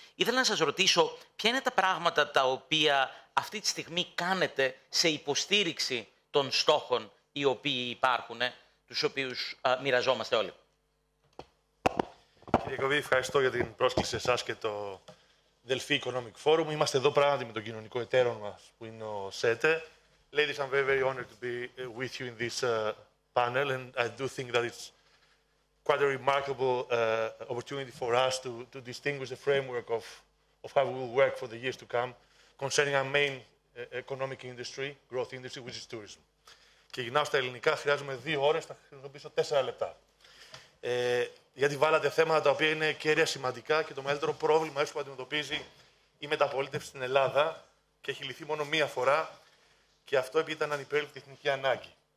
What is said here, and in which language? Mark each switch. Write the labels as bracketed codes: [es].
[el] Ήθελα να σας ρωτήσω ποια είναι τα πράγματα τα οποία αυτή τη στιγμή κάνετε σε υποστήριξη των στόχων οι οποίοι υπάρχουν, τους οποίους μοιραζόμαστε όλοι. Κύριε Κοβή, ευχαριστώ για την πρόσκληση εσάς και το Delphi Economic Forum. Είμαστε εδώ πράγματι με τον κοινωνικό εταίρο μας, που είναι ο ΣΕΤΕ. [en] Ladies, I'm very, very honored to be with you in this panel, and I do think that it's quite a remarkable opportunity for us to distinguish the framework of how we will work for the years to come concerning our main economic industry, growth industry, which is tourism. [el] Και γυρνάω στα ελληνικά, χρειάζομαι 2 ώρες, θα χρησιμοποιήσω 4 λεπτά. Γιατί βάλατε θέματα τα οποία είναι κέρια σημαντικά και το μεγαλύτερο πρόβλημα που αντιμετωπίζει η μεταπολίτευση στην Ελλάδα και έχει λυθεί μόνο μία φορά και αυτό επειδή ήταν ανυπέρβλητη εθνική ανάγκη.